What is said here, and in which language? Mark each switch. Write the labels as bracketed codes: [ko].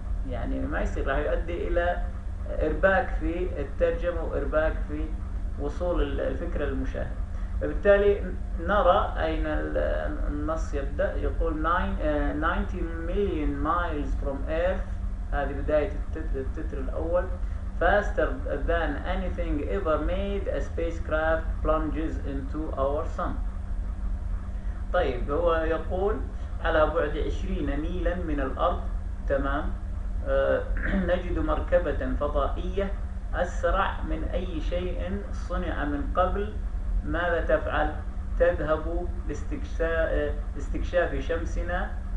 [ar] يعني ما يصير، راح يؤدي إلى إرباك في الترجمة وإرباك في وصول الفكرة للمشاهد. فبالتالي نرى أين النص يبدأ، يقول 90 مليون [en] miles from earth, [ar] هذه بداية التتر الأول. [en] Faster than anything ever made, a spacecraft plunges into our sun. [ar] طيب هو يقول على بعد 20 ميلا من الأرض، تمام، نجد مركبة فضائية أسرع من أي شيء صنع من قبل، ماذا تفعل؟ تذهب لاستكشاف شمسنا.